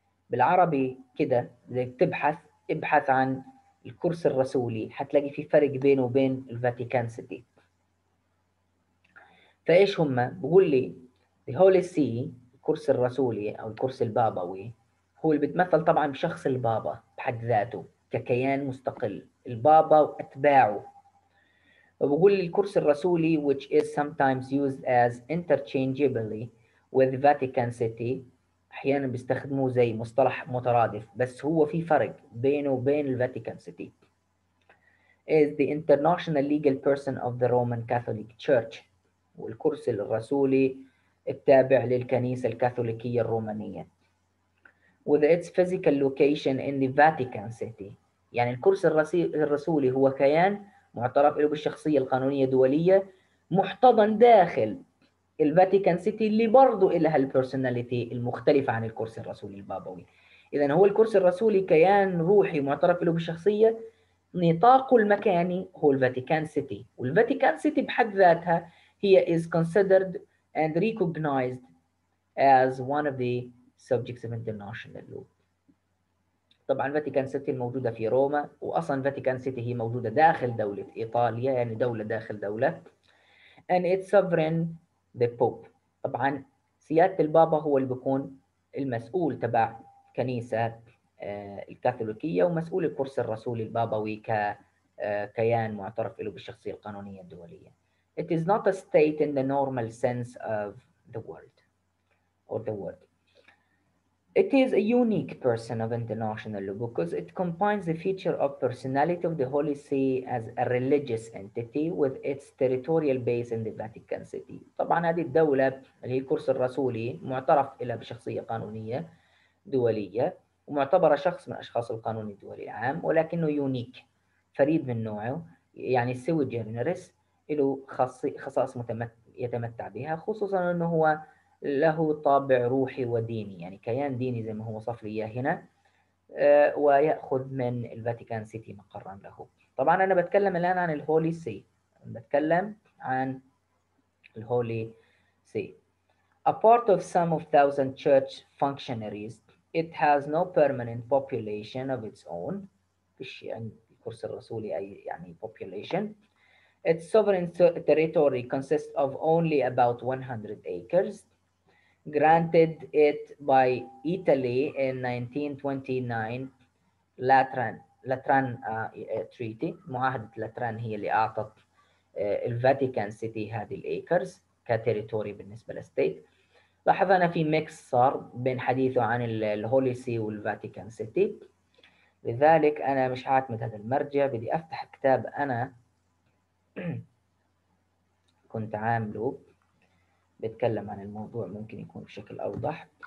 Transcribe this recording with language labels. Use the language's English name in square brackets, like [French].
[Arabic] بالعربي كده زي تبحث، ابحث عن الكرسي الرسولي حتلاقي في فرق بينه وبين الفاتيكان سيتي. فإيش هما؟ بقول لي الهولي سي الكرسي الرسولي أو الكرسي البابوي هو اللي بتمثل طبعا بشخص البابا بحد ذاته ككيان مستقل، البابا وأتباعه. وبقول الكرسي الرسولي [English] which is sometimes used as interchangeably with Vatican City، [Arabic] أحيانا بيستخدموه زي مصطلح مترادف، بس هو في فرق بينه وبين الفاتيكان سيتي، [English] is the international legal person of the Roman Catholic Church، [Arabic] والكرسي الرسولي التابع للكنيسة الكاثوليكية الرومانية. [English] With its physical location in the Vatican City. [Arabic] يعني الكرسي الرسولي هو كيان معترف له بالشخصية القانونية دولية محتضن داخل الفاتيكان سيتي اللي برضو إلها البرسوناليتي المختلفة عن الكرسي الرسولي البابوي. إذن هو الكرسي الرسولي كيان روحي معترف له بالشخصية، نطاقه المكاني هو الفاتيكان سيتي، والفاتيكان سيتي بحد ذاتها هي [English] is considered and recognized as one of the subjects of international law. [Arabic] طبعا فاتيكان سيتي الموجودة في روما، وأصلا فاتيكان سيتي هي موجودة داخل دولة إيطاليا، يعني دولة داخل دولة. [English] And its sovereign the Pope. [Arabic] طبعا سيادة البابا هو اللي بيكون المسؤول تبع كنيسة الكاثوليكية، ومسؤول الكرسي الرسولي البابوي ككيان معترف له بالشخصية القانونية الدولية. [English] It is not a state in the normal sense of the word or the word. It is a unique person of international law because it combines the feature of personality of the Holy See as a religious entity with its territorial base in the Vatican City. [Arabic] طبعا هذه الدولة اللي هي الكرسي الرسولي معترف لها بشخصية قانونية دولية ومعتبرة شخص من أشخاص القانون الدولي العام، ولكنه يونيك فريد من نوعه، يعني سوي جينيرس، له خصائص يتمتع بها، خصوصا أنه هو له طابع روحي وديني، يعني كيان ديني زي ما هو وصف لي هنا، ويأخذ من الفاتيكان سيتي مقرا له. طبعا أنا بتكلم الآن عن الهولي سي، بتكلم عن الهولي سي. [English] A part of some of thousand church functionaries, it has no permanent population of its own. [Arabic] فيش يعني الكرسي الرسولي أي يعني population. [English] Its sovereign territory consists of only about 100 acres. Granted it by Italy in 1929 Lateran Treaty. [Arabic] معاهدة لاتران هي اللي أعطت الفاتيكان سيتي هذه الأيكرز كتيريتوري بالنسبة للستيت. لاحظ أنا في ميكس صار بين حديثه عن الهولي سي والفاتيكان سيتي، لذلك أنا مش هعتمد هذا المرجع، بدي أفتح كتاب أنا كنت عامله بتكلم عن الموضوع ممكن يكون بشكل أوضح.